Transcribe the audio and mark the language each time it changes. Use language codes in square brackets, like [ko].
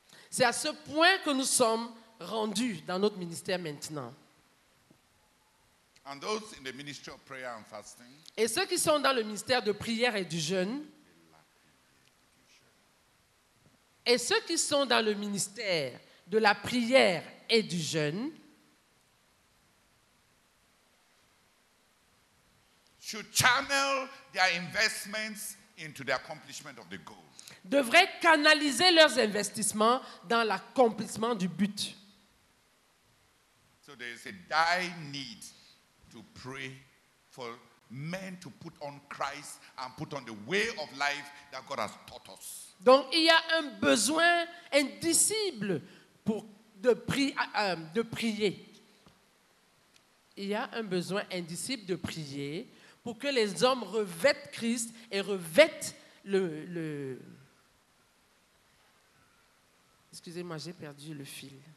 [fr] C'est à ce point que nous sommes rendus dans notre ministère maintenant. [en] And those in the ministry of prayer and fasting, [fr] et ceux qui sont dans le ministère de prière et du jeûne, et ceux qui sont dans le ministère de la prière et du jeûne, [en] should channel their investments into the accomplishment of the goal. [fr] Devraient canaliser leurs investissements dans l'accomplissement du but. [en] So there is a dire need to pray for men to put on Christ and put on the way of life that God has taught us. [fr] Donc il y a un besoin indicible pour de prier. Il y a un besoin indicible de prier pour que les hommes revêtent Christ et revêtent le excusez-moi, j'ai perdu le fil.